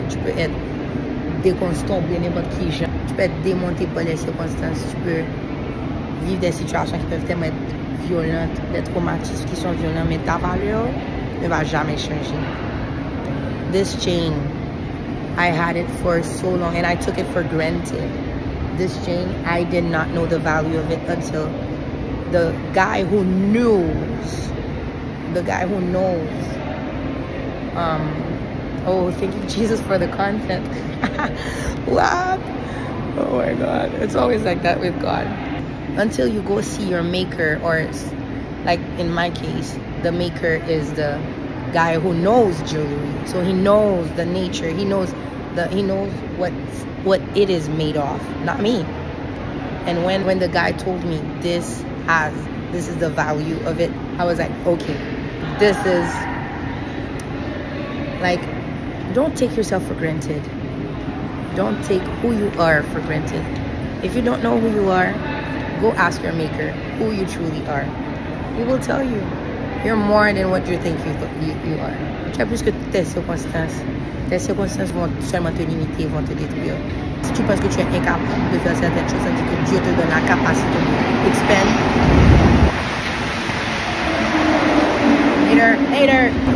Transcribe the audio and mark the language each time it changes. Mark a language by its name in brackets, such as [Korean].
[French] Tu peux être déconstruit ou bien n'importe qui. Tu peux être démonté par les circonstances. Tu peux vivre des situations qui peuvent tellement être violentes, des traumatismes qui sont violents, mais ta valeur ne va jamais changer. [English] This chain, I had it for so long and I took it for granted. This chain, I did not know the value of it until the guy who knows, thank you Jesus for the content. What? Oh my God, it's always like that with God. Until you go see your maker, or like in my case, the maker is the guy who knows jewelry. So he knows the nature, he knows what it is made of, not me. And when the guy told me this is the value of it, I was like, okay, this is, like, don't take yourself for granted. Don't take who you are for granted. If you don't know who you are, go ask your maker who you truly are. He will tell you. You're more than what you think you are. [French] Tu as plus que tes circonstances vont seulement te limiter, vont te détruire. Si tu penses que tu es incapable de faire certaines choses, ça veut dire que Dieu te donne la capacité de expand. [English] Later.